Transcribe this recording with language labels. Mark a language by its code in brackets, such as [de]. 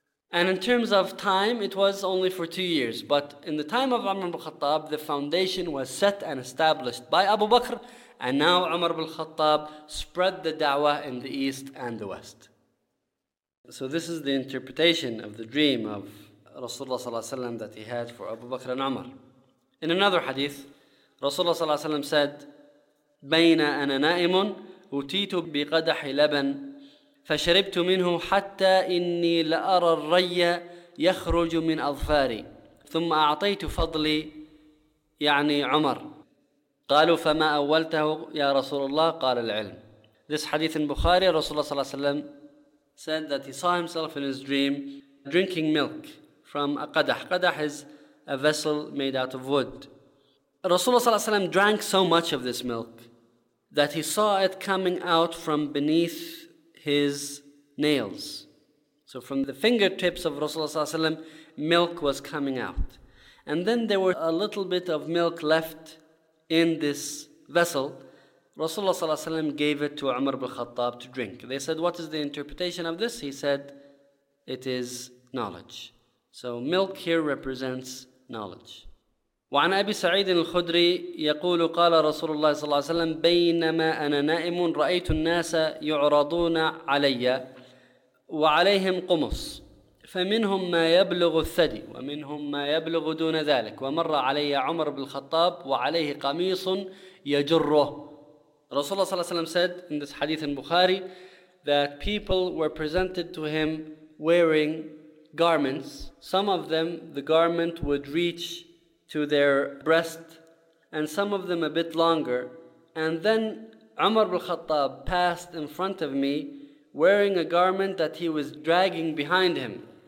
[en] And in terms of time, it was only for 2 years. But in the time of Umar bin Khattab, the foundation was set and established by Abu Bakr. And now Umar bin Khattab spread the da'wah in the East and the West. So this is the interpretation of the dream of Rasulullah صلى الله عليه وسلم that he had for Abu Bakr and Umar. In another hadith, Rasulullah صلى الله عليه وسلم said, [ar] بَيْنَ أَنَا نَائِمٌ أُتِيتُ بِقَدَحِ لَبَنٍ فشربت منه حتى إني لأرى الري يخرج من أظفاري، ثم أعطيت فضلي يعني عمر. قالوا: فما أولته يا رسول الله؟ قال: العلم. [en] This hadith in Bukhari, Rasulullah sallallahu alayhi wa sallam said that he saw himself in his dream drinking milk from a qadah. Qadah is a vessel made out of wood. Rasulullah sallallahu alayhi wa sallam drank so much of this milk that he saw it coming out from beneath his nails. So from the fingertips of Rasulullah sallallahu alayhi wa sallam, milk was coming out. And then there were a little bit of milk left in this vessel. Rasulullah sallallahu alayhi wa sallam gave it to Umar ibn al-Khattab to drink. They said, what is the interpretation of this? He said, it is knowledge. So milk here represents knowledge. [ar] وعن أبي سعيد الخدري يقول قال رسول الله صلى الله عليه وسلم بينما أنا نائم رأيت الناس يعرضون علي وعليهم قمص فمنهم ما يبلغ الثدي ومنهم ما يبلغ دون ذلك ومر علي عمر بن الخطاب وعليه قميص يجره. [en] رسول الله صلى الله عليه وسلم said in this hadith in Bukhari that people were presented to him wearing garments. Some of them the garment would reach to their breast, and some of them a bit longer. And then Umar ibn al-Khattab passed in front of me wearing a garment that he was dragging behind him.